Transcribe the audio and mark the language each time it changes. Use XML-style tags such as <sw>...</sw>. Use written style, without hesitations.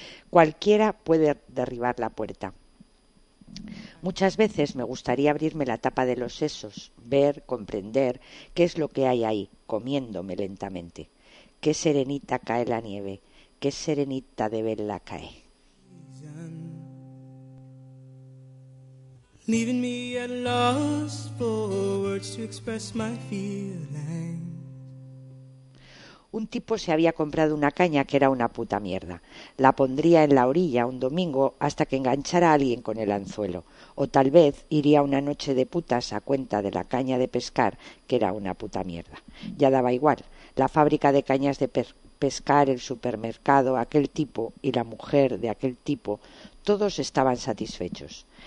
<es>Cualquiera puede derribar la puerta. Muchas veces me gustaría abrirme la tapa de los sesos, ver, comprender qué es lo que hay ahí, comiéndome lentamente. Qué serenita cae la nieve, qué serenita de verla cae.</es> <en>Leaving me at loss for words to express my feelings.</en> <es>Un tipo se había comprado una caña que era una puta mierda. La pondría en la orilla un domingo hasta que enganchara a alguien con el anzuelo. O tal vez iría una noche de putas a cuenta de la caña de pescar, que era una puta mierda. Ya daba igual. La fábrica de cañas de pescar, el supermercado, aquel tipo y la mujer de aquel tipo, todos estaban satisfechos.</es>